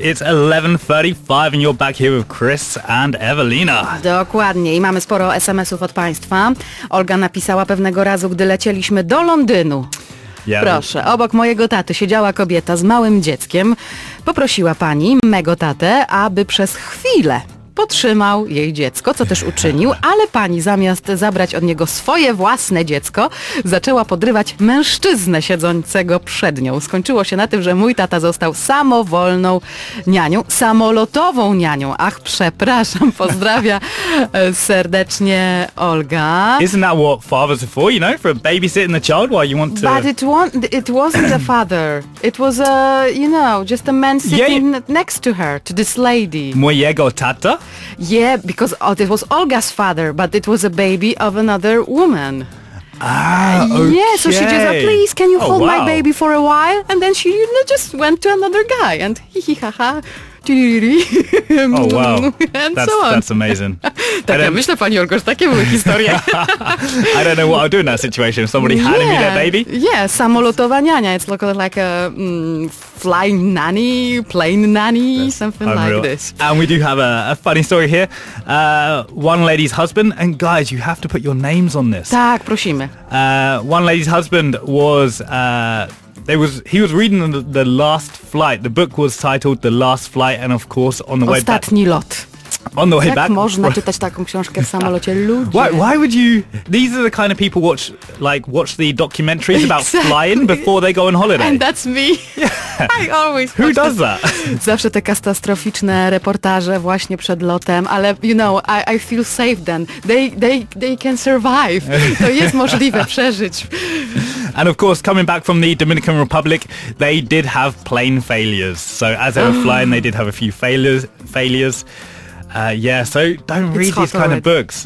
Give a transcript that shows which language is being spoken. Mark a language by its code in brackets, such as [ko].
[en] It's 11:35 and you're back here with Chris and Evelina. [pl] Dokładnie. I mamy sporo SMS-ów od Państwa. Olga napisała pewnego razu, gdy lecieliśmy do Londynu. Yeah. Proszę, obok mojego taty siedziała kobieta z małym dzieckiem. Poprosiła pani, mego tatę, aby przez chwilę potrzymał jej dziecko, co też uczynił, ale pani zamiast zabrać od niego swoje własne dziecko, zaczęła podrywać mężczyznę siedzącego przed nią. Skończyło się na tym, że mój tata został samowolną nianią, samolotową nianią. Ach, przepraszam, pozdrawia serdecznie Olga. [en] Isn't that what fathers are for, you know, for babysitting the child while you want to... But it wasn't a father. It was a, you know, just a man sitting next to her, to this lady. [pl] Mojego tata? [en] Yeah, because it was Olga's father, but it was a baby of another woman. Okay. Yeah, so she just, please, can you hold my baby for a while? And then she, you know, just went to another guy and hee hee ha ha. Oh wow, that's amazing. [pl] Tak, ja myślę, pani Olgo, że takie były historie. [en] I don't know what I'll do in that situation. Somebody handing me their baby? [pl] Yeah, samolotowa niania. [en] It's like a flying nanny, plane nanny, something unreal. Like this. And we do have a funny story here. One lady's husband, and guys, you have to put your names on this. [pl] Tak, prosimy. [en] One lady's husband was... He was reading the Last Flight. The book was titled The Last Flight, and of course, on the way back. [pl] Ostatni lot. [en] On the way [pl] Jak [en] back. [pl] Można czytać taką książkę w samolocie, ludzie. [en] Why would you? These are the kind of people watch the documentaries about flying before they go on holiday. And that's me. Yeah. I always. Who does that? [pl] Zawsze te katastroficzne reportaże właśnie przed lotem, ale [en] you know, I feel safe then. They can survive. [pl] To jest możliwe przeżyć. [en] And of course, coming back from the Dominican Republic, they did have plane failures. So as they were flying, they did have a few failures. Yeah, so don't read these kind of books.